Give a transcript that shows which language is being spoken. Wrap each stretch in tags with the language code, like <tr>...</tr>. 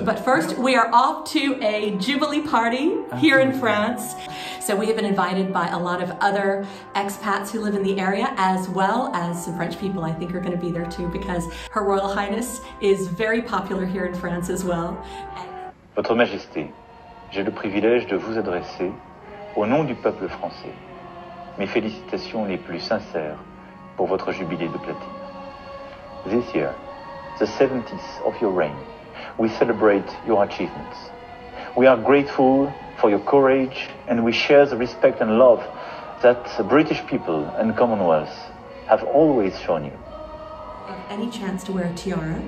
<en>But first, we are off to a Jubilee party here in France. So we have been invited by a lot of other expats who live in the area, as well as some French people I think are gonna be there too, because Her Royal Highness is very popular here in France as well.</en> <fr>Votre Majesté, j'ai le privilège de vous adresser, au nom du peuple français, mes félicitations les plus sincères pour votre jubilée de platine.</fr> <en>This year, the 70th of your reign, we celebrate your achievements. We are grateful for your courage, and we share the respect and love that the British people and Commonwealth have always shown you. Any chance to wear a tiara?</en>